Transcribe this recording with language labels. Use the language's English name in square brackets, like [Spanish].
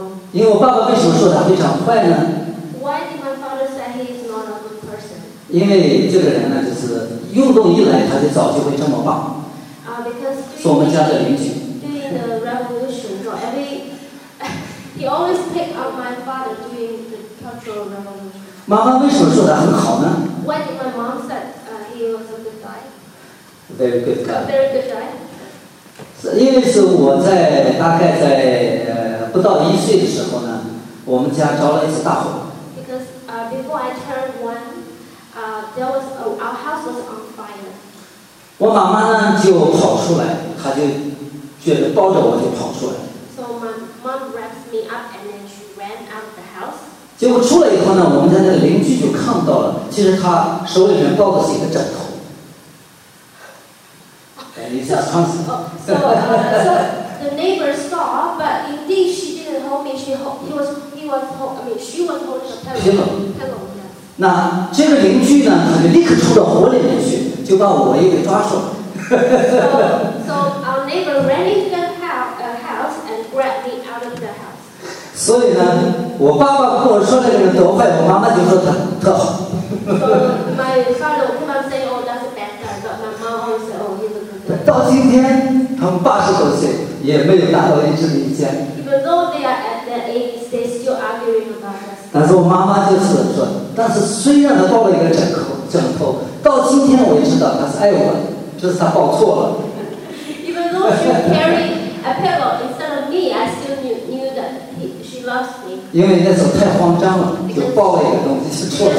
[Chinese] 因为我爸爸为什么说他非常坏呢？ [English] Why did my father say he is not a good person? [Chinese] 因为这个人呢，就是运动一来，他就早就会这么棒。 [English] Because [Chinese] 是我们家的邻居。 [English] During the revolution, he always pick up my father during the cultural revolution. [Chinese] 妈妈为什么说他很好呢？ [English] Why did my mom say he was a good guy? Very good guy. A very good guy. [Chinese] 是因为是我在大概在。不到一岁的时候呢，我们家着了一次大火。 [English] Because before I turned one, there was our house was on fire. [Chinese] 我妈妈呢就跑出来，她就觉得抱着我就跑出来。 So my mom wrapped me up and then she ran out the house. 结果出来以后呢，我们家的邻居就看到了，其实她手里面抱的是一个枕头。一下穿死。 [English] So the neighbor saw, but indeed she didn't hold me. She was holding a pillow. [Chinese] 那这个邻居呢，他就立刻冲到火里面去，就把我也给抓住了。 [English] So our neighbor ran into the house and grabbed me out of the house. [Chinese] 所以呢，我爸爸跟我说这个人多坏，我妈妈就说他特好。 [English] So my father often say, "Oh, that's a bad guy," but my mom always say, "Oh, he's a good guy." [Chinese] 到今天，他们80多岁。也没有达到一致的意见。 [English] Even though they are at their age, they still arguing about this. [Chinese] 但是我妈妈就是说，但是虽然她抱了一个枕头，到今天我也知道她是爱我的，就是她抱错了。 [English] Even though she carrying a pillow instead of me, I still knew that she loves me. [Chinese] 因为那时候太慌张了，就抱了一个东西是错的。